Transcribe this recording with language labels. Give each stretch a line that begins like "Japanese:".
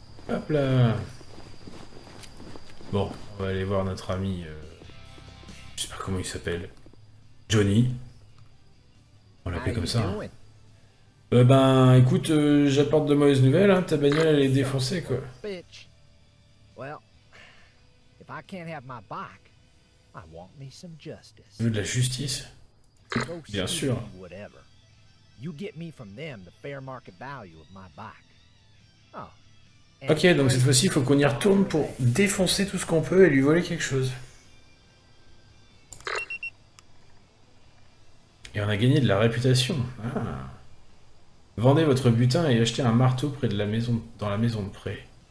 French: Hop là. Bon. On va aller voir notre ami, je sais pas comment il s'appelle, Johnny. On l'appelle comme ça. Hein. Ben, écoute, j'apporte de mauvaises nouvelles. Hein. Ta bagnole elle est défoncée, quoi.
English: Well, if I can't have my bike, I want me some justice.
French: Veux de la justice. Bien sûr.
English: Whatever. You get me from them the fair market value of my bike. Oh.
French: Ok, donc cette fois-ci, il faut qu'on y retourne pour défoncer tout ce qu'on peut et lui voler quelque chose. Et on a gagné de la réputation. Ah. Vendez votre butin et achetez un marteau près de la maison, dans la maison de près.